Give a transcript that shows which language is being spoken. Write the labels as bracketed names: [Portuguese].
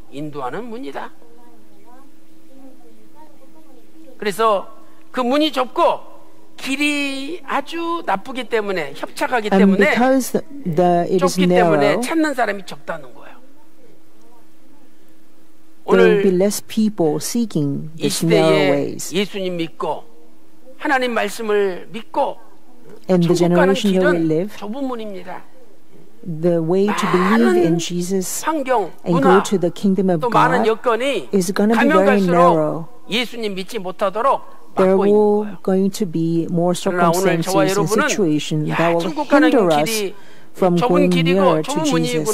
[English] And because it is narrow, [Korean] 찾는 사람이 적다는 거예요. [English] There will be less people seeking this narrow ways. [Korean] 예수님 믿고 하나님 말씀을 믿고 [English] in the generation that we live, the way to believe in Jesus and go to the kingdom of God is going to be very narrow. [Korean] 예수님 믿지 못하도록 [English] there will going to be more circumstances and situations that will hinder us from going nearer to Jesus.